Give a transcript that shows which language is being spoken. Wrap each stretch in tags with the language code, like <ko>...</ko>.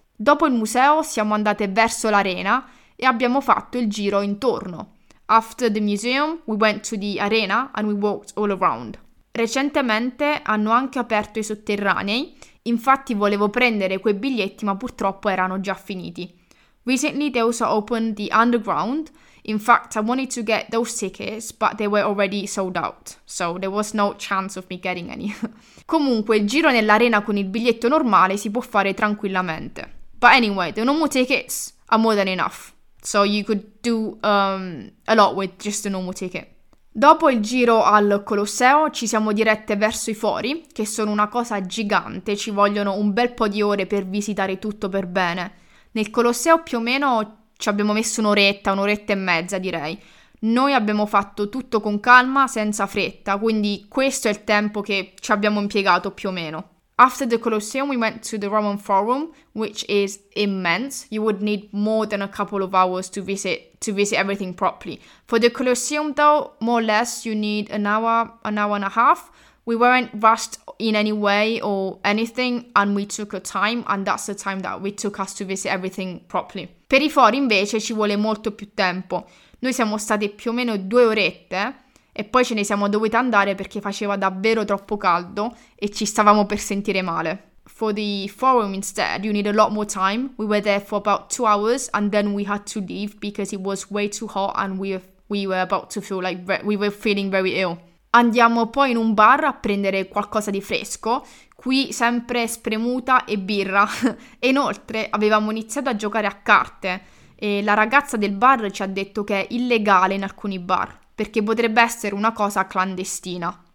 <it>Dopo il museo siamo andate verso l'arena e abbiamo fatto il giro intorno.</it> <en>After the museum, we went to the arena and we walked all around.</en> <it>Recentemente hanno anche aperto i sotterranei, infatti volevo prendere quei biglietti ma purtroppo erano già finiti.</it> <en>Recently they also opened the underground, in fact I wanted to get those tickets but they were already sold out, so there was no chance of me getting any.</en> <it>Comunque il giro nell'arena con il biglietto normale si può fare tranquillamente.</it> <en>But anyway, the normal tickets are more than enough, so you could do a lot with just the normal ticket.</en> <it>Dopo il giro al Colosseo ci siamo dirette verso i fori, che sono una cosa gigante, ci vogliono un bel po' di ore per visitare tutto per bene. Nel Colosseo più o meno ci abbiamo messo un'oretta e mezza direi. Noi abbiamo fatto tutto con calma, senza fretta, quindi questo è il tempo che ci abbiamo impiegato più o meno.</it> <en>After the Colosseum we went to the Roman Forum, which is immense. You would need more than a couple of hours to visit everything properly. For the Colosseum though, more or less you need an hour and a half. We weren't rushed in any way or anything and we took a time and that's the time that we took us to visit everything properly.</en> <it>Per i fori invece ci vuole molto più tempo. Noi siamo state più o meno 2 orette e poi ce ne siamo dovute andare perché faceva davvero troppo caldo e ci stavamo per sentire male.</it> <en>For the forum instead, you need a lot more time. We were there for about 2 hours and then we had to leave because it was way too hot and we were feeling very ill.</en> <it>Andiamo poi in un bar a prendere qualcosa di fresco, qui sempre spremuta e birra. E inoltre avevamo iniziato a giocare a carte e la ragazza del bar ci ha detto che è illegale in alcuni bar, perché potrebbe essere una cosa clandestina.</it>